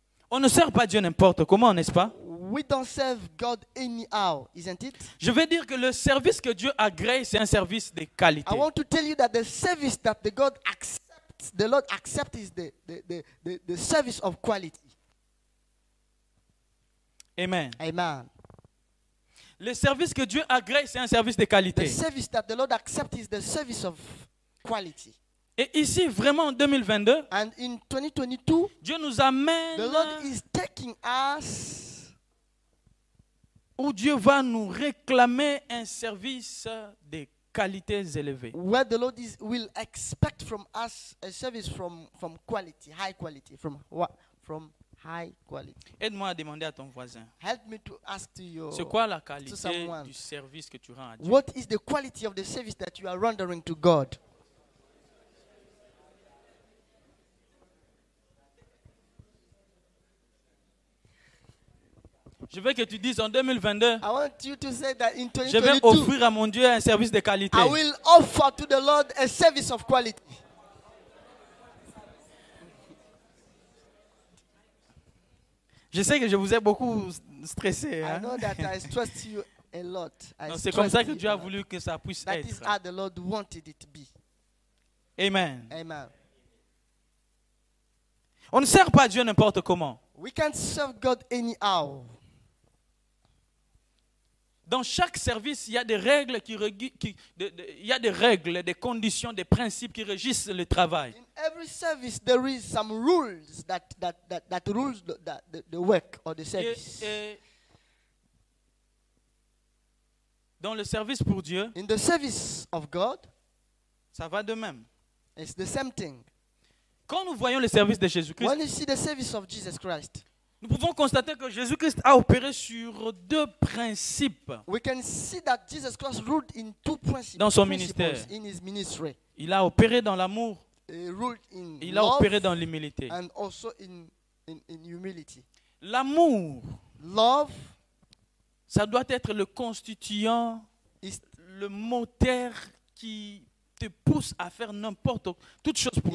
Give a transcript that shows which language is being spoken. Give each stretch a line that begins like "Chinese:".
French: On ne sert pas Dieu n'importe comment, n'est-ce pas?
English: We don't serve God anyhow, isn't it?
French: Je veux dire que le service que Dieu agrée, c'est un service de qualité.
English: I want to tell you that the service that the God accepts, the Lord accepts, is the service of quality.
French: Amen.
English: Amen.
French: Le service que Dieu agrée, c'est un service de qualité.
English: The service that the Lord accepts is the service of quality.
French: Et ici, vraiment en 2022,
English: and in 2022,
French: Dieu nous amène,
English: the Lord is taking us,
French: où Dieu va nous réclamer un service de qualités élevées.
English: Where the Lord will expect from us a service from quality, high quality, from what? From high quality.
French: Aide-moi à demander à ton voisin.
English: Help me to ask to your.
French: C'est quoi la qualité du service que tu rends à Dieu?
English: What is the quality of the service that you are rendering to God?
French: Je veux que tu dises en 2022.
English: I want you to say that in 2022.
French: Je vais offrir à mon Dieu un service de qualité.
English: I will offer to the Lord a service of quality.
French: Je sais que je vous ai beaucoup stressé. Hein?
English: I know that I stress you a lot.
French: Non, c'est comme ça que Dieu a voulu que ça puisse
English: that
French: être.
English: That is how the Lord wanted it to be.
French: Amen.
English: Amen.
French: On ne sert pas Dieu n'importe comment.
English: We can't serve God anyhow.
French: Dans chaque service, il y a des règles il y a des règles, des conditions, des principes qui régissent le travail.
English: In every service, there is some rules that rules the work or the service.
French: Dans le service pour Dieu,
English: in the service of God,
French: ça va de même.
English: It's the same thing.
French: Quand nous voyons le service de Jésus-Christ,
English: when you see the service of Jesus Christ,
French: Nous pouvons constater que Jésus-Christ a opéré sur deux principes.
English: We can see that Jesus Christ ruled in two principles.
French: Dans son ministère.
English: In his ministry.
French: Il a opéré dans l'amour.
English: He ruled in
French: Il a opéré dans l'humilité.
English: And also in humility.
French: L'amour.
English: Love.
French: Ça doit être le constituant, le moteur qui te pousse à faire n'importe toute chose pour